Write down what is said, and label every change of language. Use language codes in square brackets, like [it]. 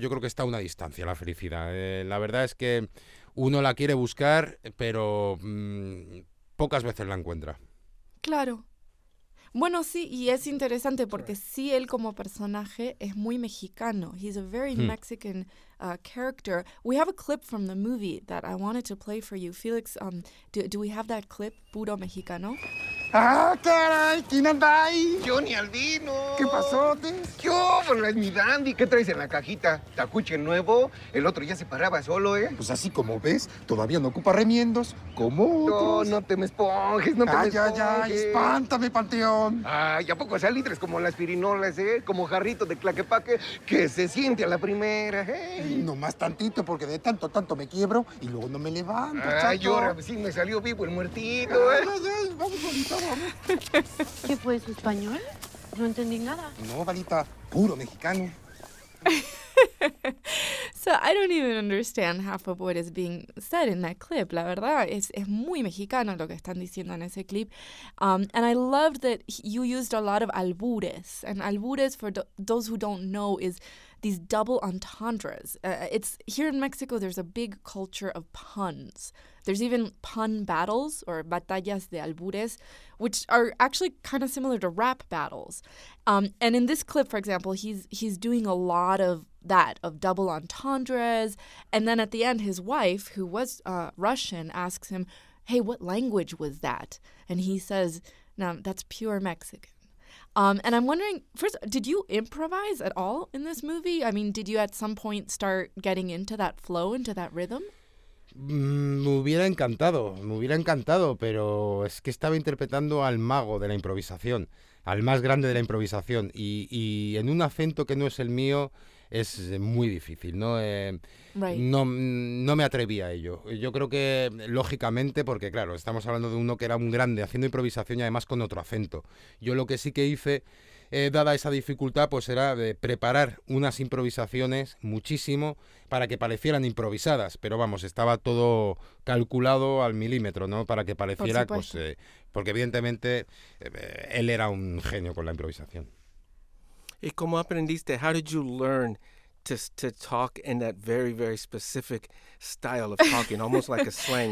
[es] Yo creo que está a una distancia la felicidad. La verdad es que uno la quiere buscar, pero pocas veces la encuentra. Claro. Bueno, sí, y es interesante porque sí, él como personaje es muy mexicano. [en] He's a very Mexican character. We have a clip from the movie that I wanted to play for you. Felix, do we have that clip, Puro Mexicano? [es] ¡Ah, caray! ¿Quién anda ahí? ¡Johnny Albino! ¿Qué pasó, Tess? ¡Qué óvole, es mi dandy! ¿Qué traes en la cajita? ¿Tacuche nuevo? El otro ya se paraba solo, ¿eh? Pues así como ves, todavía no ocupa remiendos, como otros. No te me esponjes, no te me esponjes. ¡Ya! ¡Espántame, panteón! ¡Ay, a poco salitres como las pirinolas, eh! Como jarrito de claquepaque que se siente a la primera, ¿eh? No más tantito, porque de tanto me quiebro y luego no me levanto, chato. ¡Ay, ahora sí me salió vivo el muertito, eh! ¡Vamos! ¿Qué fue, su español? No entendí nada. No, Valita, puro mexicano. [en] So I don't even understand half of what is being said in that clip. [es] La verdad, es muy mexicano lo que están diciendo en ese clip. [en] And I loved that you used a lot of albures. And albures, for those who don't know, is these double entendres. It's here in Mexico, there's a big culture of puns. There's even pun battles or [es] batallas de albures, [en] which are actually kind of similar to rap battles. And in this clip, for example, he's doing a lot of that, of double entendres. And then at the end, his wife, who was Russian, asks him, hey, what language was that? And he says, no, that's pure Mexican. And I'm wondering, first, did you improvise at all in this movie? I mean, did you at some point start getting into that flow, into that rhythm? [es] Me hubiera encantado, pero es que estaba interpretando al mago de la improvisación, al más grande de la improvisación, y en un acento que no es el mío es muy difícil, ¿no? [en] Right. [es] No me atreví a ello. Yo creo que, lógicamente, porque claro, estamos hablando de uno que era un grande haciendo improvisación y además con otro acento. Yo lo que sí que hice, dada esa dificultad, pues era de preparar unas improvisaciones muchísimo para que parecieran improvisadas, pero vamos, estaba todo calculado al milímetro, ¿no? Para que pareciera, pues, porque evidentemente él era un genio con la improvisación. ¿Y cómo aprendiste? [en] How did you learn to talk in that very, very specific style of talking, almost like a slang?